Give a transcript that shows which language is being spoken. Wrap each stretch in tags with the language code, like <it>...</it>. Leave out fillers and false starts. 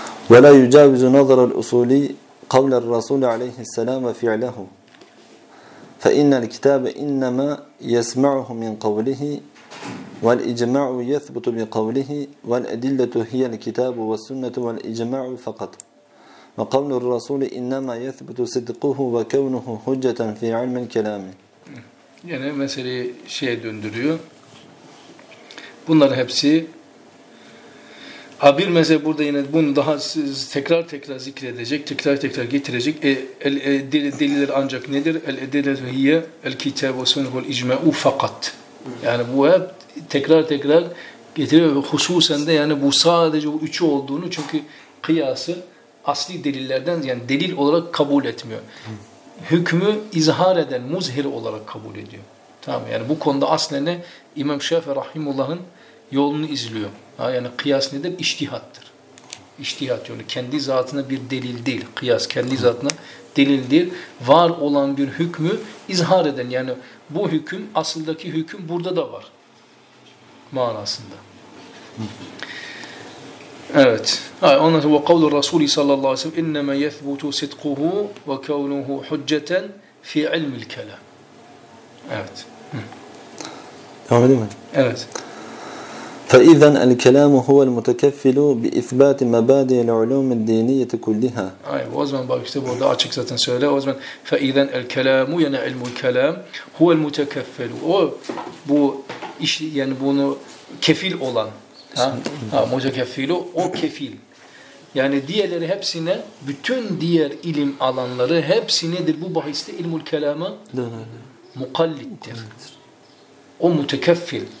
<ar>وَلَا يُجَاوِزُ نَظَرَ الْأُصُولِ قَوْلَ الرَّسُولِ عَلَيْهِ السَّلَامَ فِعْلَهُ فَإِنَّ الْكِتَابَ إِنَّمَا يَسْمَعُهُ مِنْ قَوْلِهِ والإجماع يثبت بقوله والأدلة هي الكتاب والسنة والإجماع فقط وقول الرسول إنما يثبت صدقه وكونه حجة في علم الكلام.</ar> <tr>Yani meseleyi şeye döndürüyor. Bunlar hepsi bir mesele burada yine bunu daha tekrar tekrar zikredecek, tekrar tekrar getirecek. Deliller ancak nedir?</tr> <ar>El-edilة هي الكتاب والسنة والإجماع فقط.</ar> <tr>Yani bu hep tekrar tekrar getiriyor. Hususen de yani bu sadece bu üçü olduğunu çünkü kıyası asli delillerden yani delil olarak kabul etmiyor. Hükmü izhar eden muzhir olarak kabul ediyor. Tamam yani bu konuda aslen İmam Şafii Rahimullah'ın yolunu izliyor. Yani kıyas nedir? İçtihattır. İçtihat yolu. Kendi zatına bir delil değil. Kıyas kendi zatına delil değil. Var olan bir hükmü izhar eden. Yani bu hüküm, asıldaki hüküm burada da var. Manasında. Evet. Ondan sonra</tr> <ar>وَقَوْلُ الرَّسُولِ صَلَّى اللّٰهُ عَلَيْهِ وَسَلَّمْ اِنَّمَا يَثْبُتُ سِدْقُهُ وَكَوْنُهُ حُجَّةً فِي عِلْمِ الْكَلَامِ.</ar> <tr>Evet. Devam edeyim mi? Evet.</tr> <ar>فَإِذَنْ الْكَلَامُ هُوَ الْمُتَكَفِّلُ بِإِثْبَاتِ مَبَادِي الْعُلُومِ الدِّينِيَّةِ كُلِّهَا.</ar> <tr>Hayır, o zaman bak işte burada açık zaten söyle. O zaman</tr> <ar>فَإِذَنْ الْكَلَامُ يَنَا عِلْمُ الْكَلَامُ هُوَ الْمُتَكَفِّلُ.</ar> <tr>O bu iş, yani bunu kefil olan. Ha, mutekeffilu, o kefil. Yani diğerleri hepsine, bütün diğer ilim alanları hepsi nedir bu bahiste? İlmul kelama mukallittir. O mutekeffil.</tr>